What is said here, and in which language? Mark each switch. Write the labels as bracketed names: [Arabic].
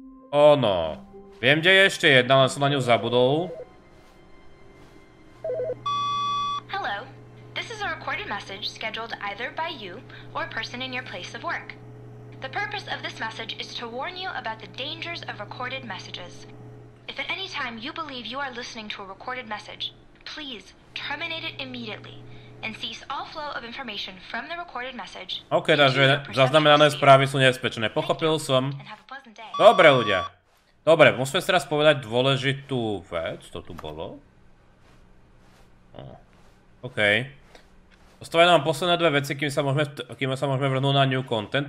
[Slovak] Ono, viem, kde je ešte jedna, len som na ňu zabudol. [English] Hello. This is a recorded message scheduled either by you or person in your place of work. The purpose of this message is to warn you about the dangers of recorded messages. If at any time you believe you are listening to a recorded message, please terminate it immediately and cease all flow of information from the recorded message. [Slovak] OK, takže zaznamenané správy sú nebezpečné. Pochopil som. Dobre, ľudia. Dobre, musíme si teraz povedať dôležitú vec. Čo to tu bolo? OK. Zostávajú nám posledné dve veci, kým sa môžeme vrhnúť na [English] new content.